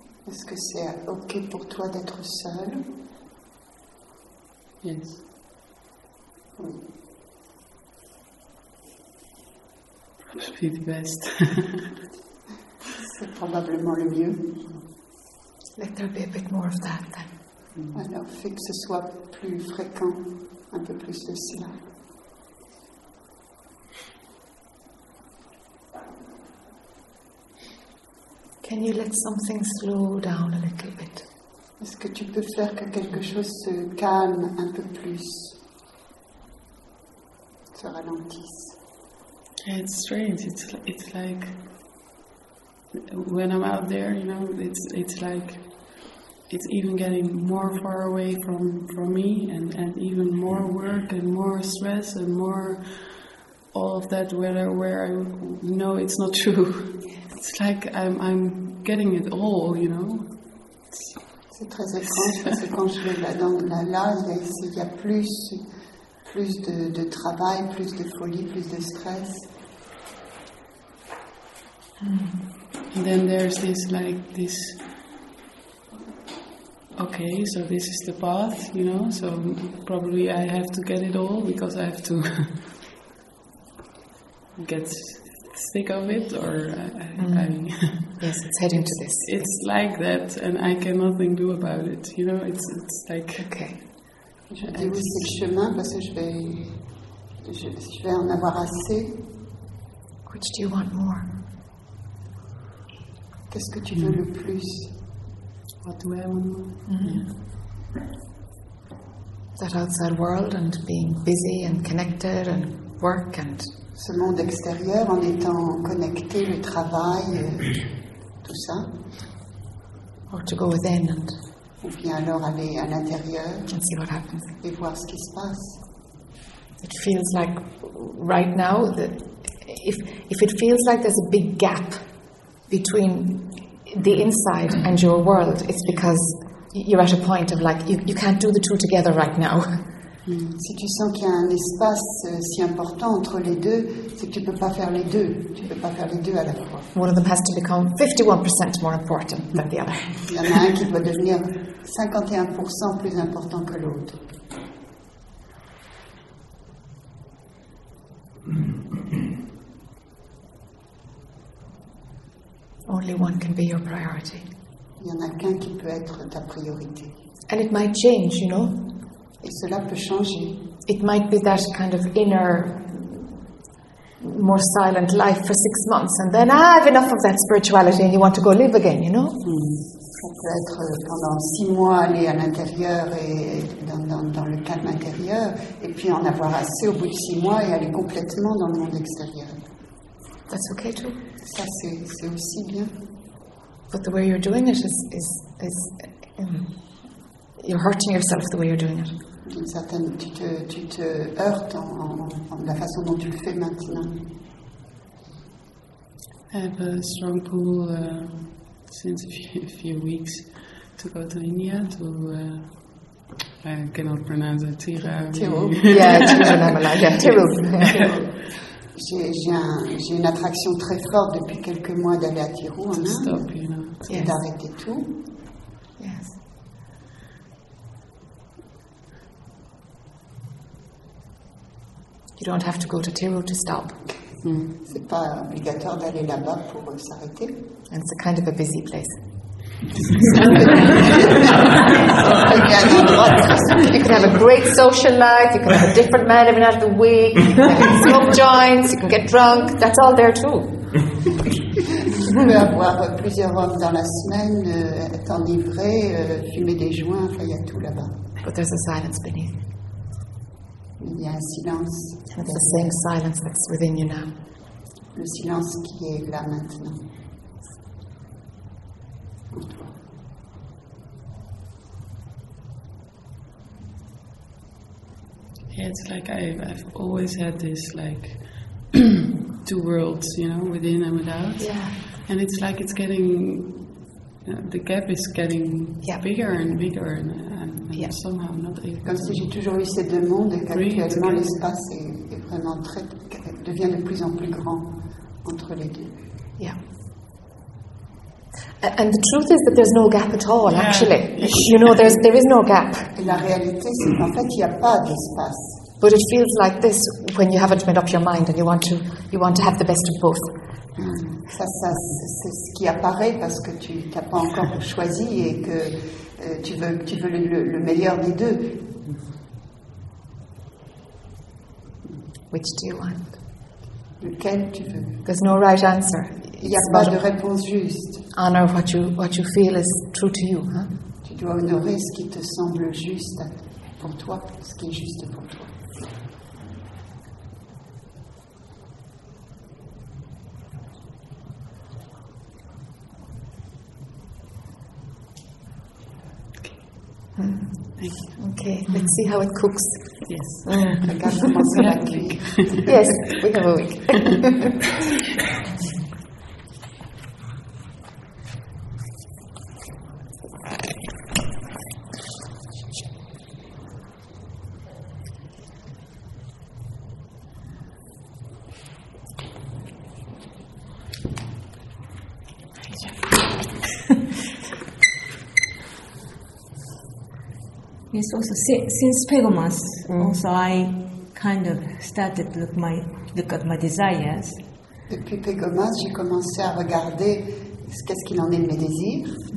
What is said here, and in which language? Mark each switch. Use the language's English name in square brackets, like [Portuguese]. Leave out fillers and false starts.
[French] Est-ce que c'est okay pour toi d'être seul? [English] Yes. Perhaps be the best. [French] C'est probablement le mieux. [English] Let there be a bit more of that then. [French] Alors, fais que ce soit plus fréquent, un peu plus de cela. [English] Can you let something slow down a little bit? [French] Est-ce que tu peux faire que quelque chose se calme un peu plus, se ralentisse? [English] Yeah, it's strange. It's like when I'm out there, you know, it's like it's even getting more far away from me, and even more work and more stress and more all of that. Where I know it's not true. It's like I'm getting it all, you know. [French] C'est très étrange parce que quand je vais là, ici, il y a plus de travail, plus de folie, plus de stress. [English] And then there's this, like, this, okay, so this is the path, you know, so probably I have to get it all because I have to get sick of it, or yes, it's heading to this. It's like that, and I can nothing do about it, you know, it's like... Okay. [French] Je dis oui, c'est le chemin, parce que je vais en avoir assez. [English] Which do you want more? [French] Qu'est-ce que tu veux le plus? [English] What do I want more? That outside world and being busy and connected and work and... [French] Ce monde extérieur, en étant connecté, le travail, tout ça. [English] Or to go within and... [French] Ou bien alors aller à l'intérieur [English] and see what happens. [French] Et voir ce qui se passe. [English] It feels like right now that if it feels like there's a big gap between the inside and your world, it's because you're at a point of like you can't do the two together right now. [French] Si tu sens qu'il y a un espace si important entre les deux, c'est que tu peux pas faire les deux. Tu peux pas faire les deux à la fois. [English] One of them has to become 51% more important than the other. [French] Il y en a un qui doit devenir 51% plus important que l'autre. [English] Only one can be your priority. [French] Il y en a qu'un qui peut être ta priorité. [English] And it might change, you know. [French] Et cela peut changer. [English] It might be that kind of inner, more silent life for 6 months, and then I have enough of that spirituality, and you want to go live again, you know? [French] Ça peut être pendant 6 mois aller à l'intérieur et dans le calme intérieur, et puis en avoir assez au bout de 6 mois et aller complètement dans le monde extérieur. [English] That's okay too. [French] Ça c'est aussi bien. [English] But the way you're doing it is you're hurting yourself the way you're doing it. [French] D'une certaine, tu te heurtes en la façon dont tu le fais maintenant. [English] I have a strong pull since a few weeks to go to India to I cannot pronounce it. Tirup. Yeah, Tirup. [French] J'ai une attraction très forte depuis quelques mois d'aller à Tirup. [English] To stop, you know. [French] Yes. D'arrêter tout. [English] Yes. You don't have to go to Tirup to stop. [French] C'est pas obligatoire d'aller là-bas pour s'arrêter. [English] And it's a kind of a busy place. You can have a great social life, you can have a different man every night of the week, you can smoke joints, you can get drunk, that's all there too. You can have [French] plusieurs hommes dans la semaine, être enivré, fumer des joints, enfin, il y a tout là-bas. [English] But there's a silence beneath. [French] Il y a un silence. [English] It's the same silence that's within you now. [French] Le silence qui est là maintenant. [English] Yeah, it's like I've always had this like two worlds, you know, within and without. Yeah. And it's like it's getting the gap is getting bigger and bigger, and somehow not able. [French] Comme si j'ai toujours eu ces deux mondes, et qu'actuellement l'espace est vraiment devient de plus en plus grand entre les deux. [English] Yeah. And the truth is that there's no gap at all, actually. You know, there is no gap. [French] La réalité, c'est qu'en fait, il n'y a pas d'espace. [English] But it feels like this when you haven't made up your mind and you want to have the best of both. [French] Ça, c'est ce qui apparaît parce que tu n'as pas encore choisi et que tu veux le meilleur des deux. [English] Which do you want? [French] Lequel tu veux? [English] There's no right answer. [French] Il n'y a pas de réponse juste. [English] Honor what you feel is true to you. Huh? [French] Tu dois honorer ce qui te semble juste pour toi, ce qui est juste pour toi. [English] Okay, let's see how it cooks. Yes. I got the muscle back. Yes, we have a week. Yes, also since Pegomas, also I kind of started to look at my desires. [French] Depuis Pegomas, j'ai commencé à regarder qu'est-ce qu'il en est de mes désirs.